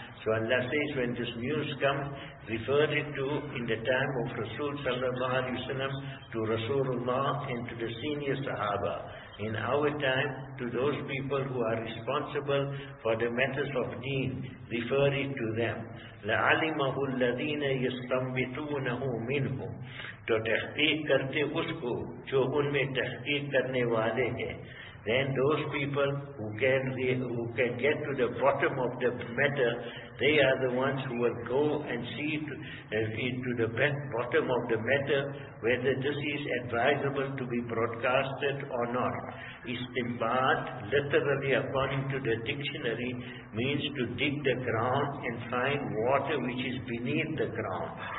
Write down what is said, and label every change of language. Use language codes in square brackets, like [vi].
[en] So Allah says, when this news comes, refer it to, in the time of Rasul sallallahu alayhi wa sallam, to Rasulullah and to the senior Sahaba. In our time, to those people who are responsible for the matters of deen, refer it to them. [ar] لَعَلِمَهُ الَّذِينَ يَسْتَنْبِتُونَهُ مِنْهُمْ [ur] تو تحقیق کرتے اس کو جو ان میں تحقیق کرنے والے ہیں. [en] Then those people who can get to the bottom of the matter, they are the ones who will go and see to the bottom of the matter whether this is advisable to be broadcasted or not. Istinbat, literally according to the dictionary, means to dig the ground and find water which is beneath the ground.